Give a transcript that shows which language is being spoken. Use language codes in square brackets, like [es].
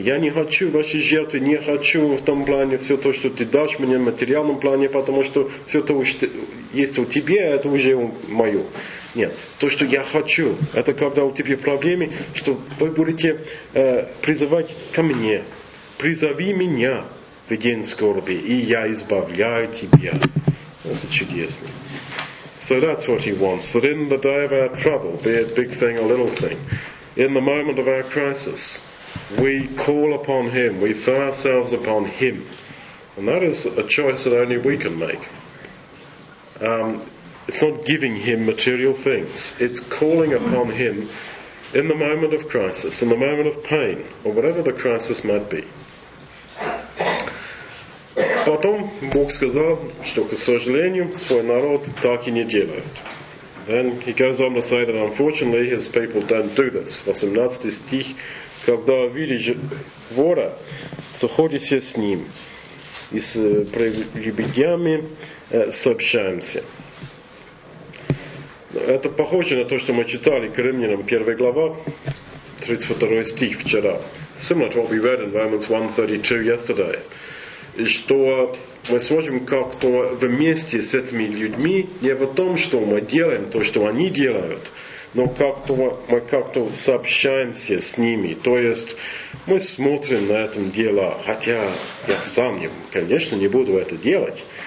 [ru] Я не хочу вашей жертвы, не хочу в том плане все то, что ты дашь мне в материальном плане, потому что все то, что есть у тебя, это уже мое. Нет. То, что я хочу, это когда у тебя проблемы, что вы будете призывать ко мне. Призови меня в день скорби, и я избавляю тебя. Это чудесно. [en] So that's what he wants. That in the day of our trouble, be it big thing or little thing, in the moment of our crisis, we call upon Him, we throw ourselves upon Him. And that is a choice that only we can make. It's not giving Him material things. It's calling upon Him in the moment of crisis, in the moment of pain, or whatever the crisis might be. [ru] Потом Бог сказал, что, к сожалению, свой народ так и не делает. [en] Then He goes on to say that, unfortunately, His people don't do this. [ru] 18 стих. Когда видишь вора, сходишься с ним и с лебедями сообщаемся. Это похоже на то, что мы читали к Римлянам 1 глава, 32 стих вчера. [en] Similar to what we read in Romans 1:32 yesterday. [ru] И что мы сможем как-то вместе с этими людьми, не в том, что мы делаем то, что они делают, но как-то мы как-то сообщаемся с ними. То есть мы смотрим на этом дело, хотя я сам, конечно, не буду это делать.